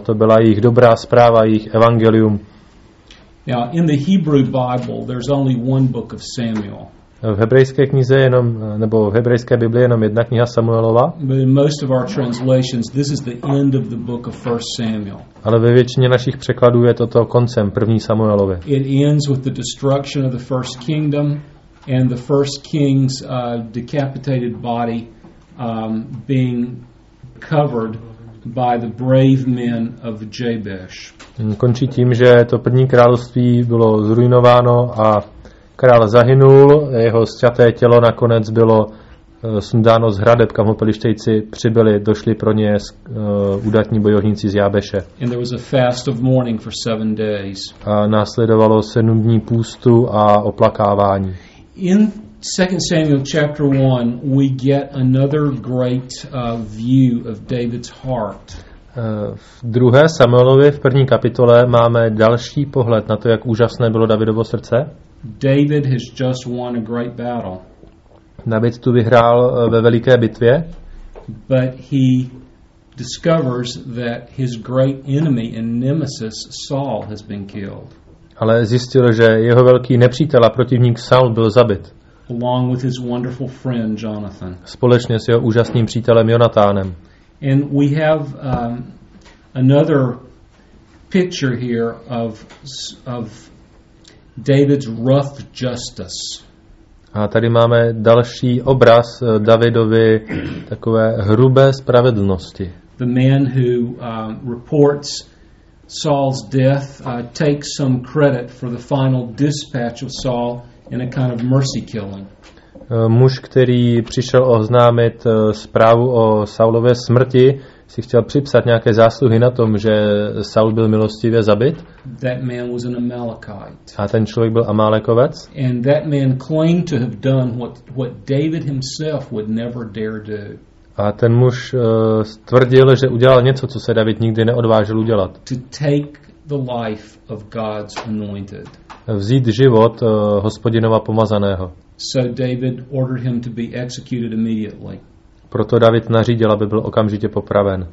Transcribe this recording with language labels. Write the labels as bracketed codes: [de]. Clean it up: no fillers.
[cs] To byla jejich dobrá zpráva, jejich evangelium. [en] Now, in the Hebrew Bible, there's only one book of Samuel. [cs] V hebrejské knize jenom, nebo v hebrejské Biblii jenom jedna kniha Samuelova. [en] But in most of our translations, this is the end of the book of 1 Samuel. [cs] Ale ve většině našich překladů je toto koncem první Samuelovy. [en] It ends with the destruction of the first kingdom and the first king's decapitated body being covered by the brave men of Jabesh. [cs] Končí tím, že to první království bylo zrujnováno a král zahynul, jeho sťaté tělo nakonec bylo sundáno z hradeb, kam ho Filištejci přibyli, došli pro ně údatní bojovníci z Jábeše. [en] And there was a fast of mourning for 7 days. [cs] A následovalo 7 dní půstu a oplakávání. [en] In 2 Samuel chapter 1 we get another great view of David's heart. [cs] V 2. Samuelovi v 1. kapitole máme další pohled na to, jak úžasné bylo Davidovo srdce. [en] David has just won a great battle. [cs] David tu vyhrál ve veliké bitvě. [en] But he discovers that his great enemy and nemesis Saul has been killed. [cs] Ale zjistil, že jeho velký nepřítel a protivník Saul byl zabit. [en] Along with his wonderful friend Jonathan. [cs] Společně s jeho úžasným přítelem Jonatánem. [en] And we have another picture here of David's rough justice. [cs] A tady máme další obraz Davidovy takové hrubé spravedlnosti. [en] The man who reports Saul's death takes some credit for the final dispatch of Saul in a kind of mercy killing. [cs] Muž, který přišel oznámit zprávu o Saulově smrti, si chtěl připsat nějaké zásluhy na tom, že Saul byl milostivě zabit. [en] That man was an Amalekite. [cs] A ten člověk byl Amalekovec. [en] And that man claimed to have done what David himself would never dare do. [cs] A ten muž tvrdil, že udělal něco, co se David nikdy neodvážil udělat. [en] To take the life of God's anointed. [cs] Vzít život Hospodinova pomazaného. [en] So David ordered him to be executed immediately. [cs] Proto David nařídil, aby byl okamžitě popraven.